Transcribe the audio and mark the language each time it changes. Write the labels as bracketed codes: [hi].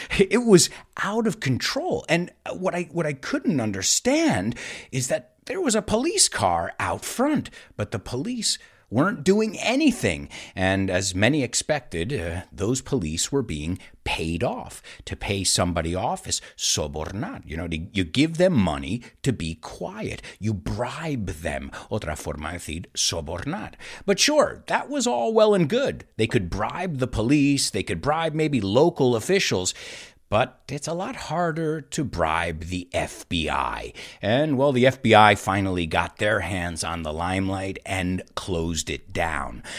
[en] It was out of control. And what I couldn't understand is that there was a police car out front, but the police weren't doing anything. And as many expected, those police were being paid off. To pay somebody off is sobornar. You know, you give them money to be quiet. You bribe them. [es] Otra forma de decir sobornar. [en] But sure, that was all well and good. They could bribe the police. They could bribe maybe local officials. But it's a lot harder to bribe the FBI. And, well, the FBI finally got their hands on the limelight and closed it down.